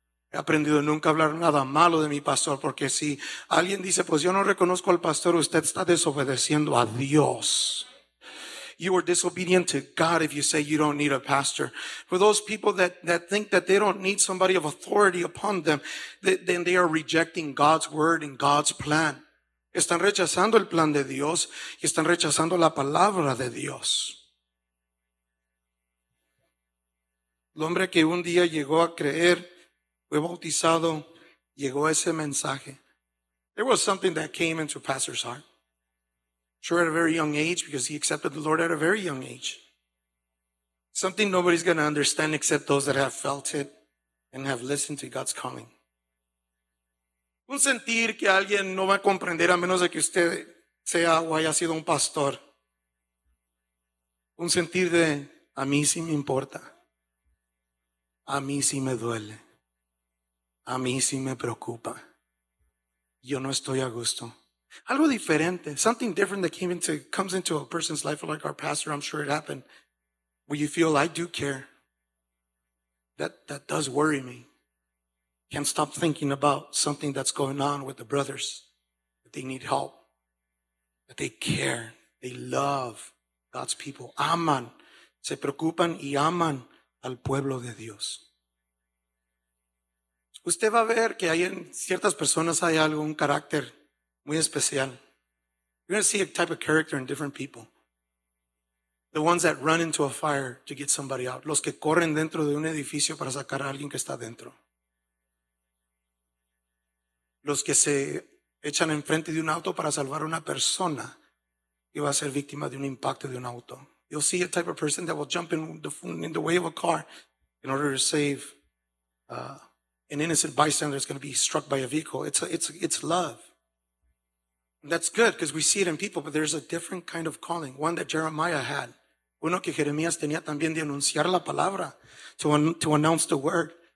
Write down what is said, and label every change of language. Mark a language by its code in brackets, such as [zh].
[es] He aprendido nunca a hablar nada malo de mi pastor, porque si alguien dice, pues yo no reconozco al pastor, usted está desobedeciendo a Dios. [en] You are disobedient to God if you say you don't need a pastor. For those people that think that they don't need somebody of authority upon them, then they are rejecting God's word and God's plan. [es] Están rechazando el plan de Dios y están rechazando la palabra de Dios. El hombre que un día llegó a creer, fue bautizado, llegó ese mensaje. [en] There was something that came into pastor's heart. Sure, at a very young age, because he accepted the Lord at a very young age. Something nobody's going to understand except those that have felt it and have listened to God's calling. [es] Un sentir que alguien no va a comprender a menos de que usted sea o haya sido un pastor. Un sentir de, a mí sí me importa. A mí sí me duele. A mí sí me preocupa. Yo no estoy a gusto. Algo diferente. [en] Something different that comes into a person's life like our pastor, I'm sure it happened. Where you feel, I do care. That does worry me. Can't stop thinking about something that's going on with the brothers. That they need help. That they care. They love God's people. [es] Aman. Se preocupan y aman al pueblo de Dios. Usted va a ver que hay en ciertas personas hay algo, un carácter muy especial. [en] You're going to see a type of character in different people. The ones that run into a fire to get somebody out. [es] Los que corren dentro de un edificio para sacar a alguien que está dentro. Los que se echan enfrente de un auto para salvar a una persona que va a ser víctima de un impacto de un auto. [en] You'll see a type of person that will jump in the way of a car in order to save an innocent bystander that's going to be struck by a vehicle. It's love. And that's good because we see it in people, but there's a different kind of calling. One that Jeremiah had. [es] Uno que Jeremías tenía también de anunciar la palabra, [en] to announce the word.